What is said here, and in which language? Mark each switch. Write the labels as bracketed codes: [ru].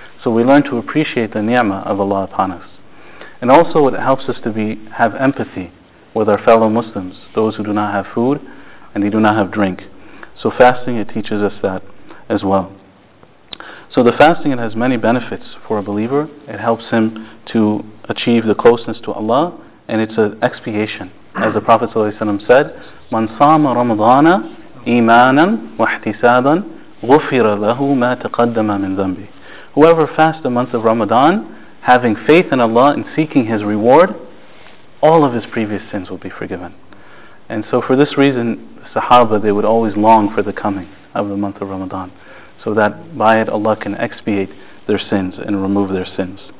[en] So we learn to appreciate the ni'mah of Allah upon us. And also it helps us to have empathy with our fellow Muslims, those who do not have food and they do not have drink. So fasting, it teaches us that as well. So the fasting, it has many benefits for a believer. It helps him to achieve the closeness to Allah, and it's an expiation. As the Prophet ﷺ said, [ar] مَنْ صَامَ رَمْضَانَ إِيمَانًا وَاحْتِسَابًا غُفِرَ لَهُ مَا تَقَدَّمَ مِنْ ذَنْبِهِ. [en] Whoever fasts the month of Ramadan, having faith in Allah and seeking His reward, all of his previous sins will be forgiven. And so for this reason, Sahaba, they would always long for the coming of the month of Ramadan, so that by it Allah can expiate their sins and remove their sins.